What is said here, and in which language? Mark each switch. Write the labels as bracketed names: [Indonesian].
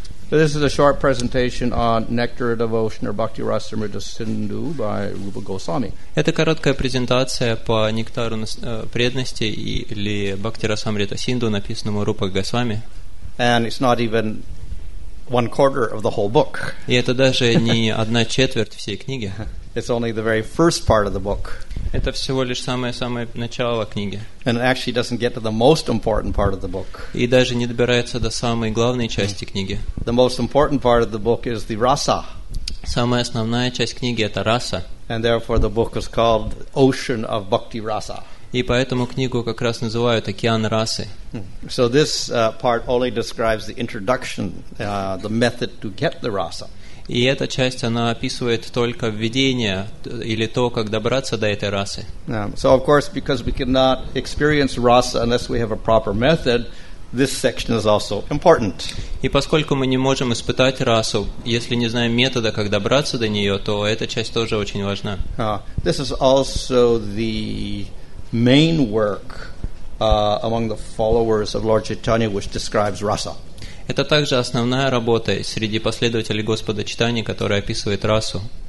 [English] So this is a short presentation on Nectar of Devotion or Bhakti Rasamrita Sindhu by Rupa Goswami. [Russian] Это короткая презентация по нектару преданности или Бхакти Расамрита Синдху, написанному Рупа Госвами. [English] And it's not even one quarter of the whole book. [Russian] И это даже не одна четверть всей книги. [English] It's only the very first part of the book. [Russian] Это всего лишь самое-самое начало книги. [English] And it actually doesn't get to the most important part of the book. [Russian] И даже не добирается до самой главной части книги. [English] The most important part of the book is the rasa. [Russian] Самая основная часть книги это раса. [English] And therefore the book is called Ocean of Bhakti Rasa. [Russian] И поэтому книгу как раз называют «Океан расы». [English] So this part only describes the introduction, the method to get the rasa. [Russian] И эта часть, она описывает только введение или то, как добраться до этой расы. [English] So, of course, because we cannot experience rasa unless we have a proper method, this section is also important. [Russian] И поскольку мы не можем испытать расу, если не знаем метода, как добраться до нее, то эта часть тоже очень важна. [English] This is also the main work among the followers of Lord Chaitanya, which describes rasa. [Russian] Это также основная работа среди последователей Господа Чайтаньи, которая описывает расу.